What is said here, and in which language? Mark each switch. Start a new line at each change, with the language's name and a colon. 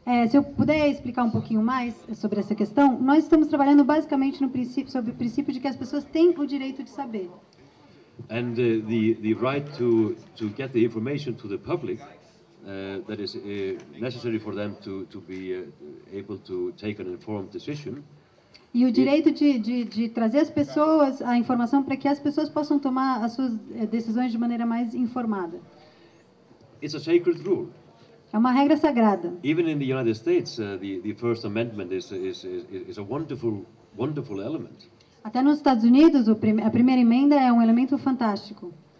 Portuguese: Se eu puder explicar um pouquinho mais sobre essa questão, nós estamos trabalhando basicamente no princípio sobre o princípio de que as pessoas têm o direito de saber.
English: And the right to get the information to the public that is necessary for them to be able to take an informed decision.
Portuguese: E o direito de trazer as pessoas a informação para que as pessoas possam tomar as suas decisões de maneira mais informada.
English: It's a sacred rule.
Portuguese: É uma regra sagrada.
English: Even in the United States, the First Amendment is a wonderful element.
Portuguese: Até nos Estados Unidos, a primeira emenda é um elemento fantástico.